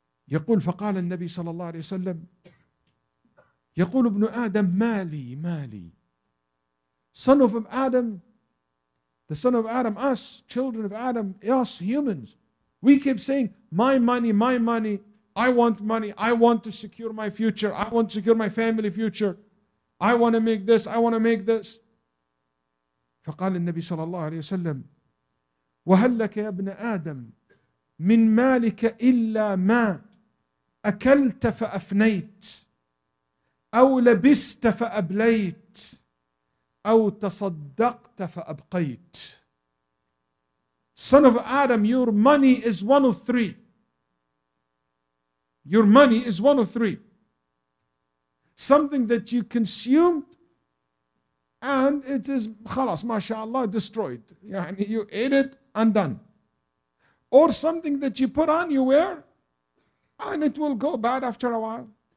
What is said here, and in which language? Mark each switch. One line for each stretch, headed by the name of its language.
Arabic: يقول فقال النبي صلى الله عليه وسلم يقول ابن آدم مالي مالي.
English: Son of Adam, the son of Adam, us, children of Adam, us humans, we keep saying, my money, I want money, I want to secure my future, I want to secure my family future, I want to make this, I want to make this.
Arabic: فقال النبي صلى الله عليه وسلم وهل لك يا ابن آدم من مالك إلا ما أكلت فأفنيت أو لبست فأبليت أو تصدقت فأبقيت.
English: Son of Adam, your money is one of three. Your money is one of three. Something that you consume and it is
Arabic: خلاص ما شاء الله
English: destroyed. يعني you ate it and done. Or something that you put on, you wear, and it will go bad after a while.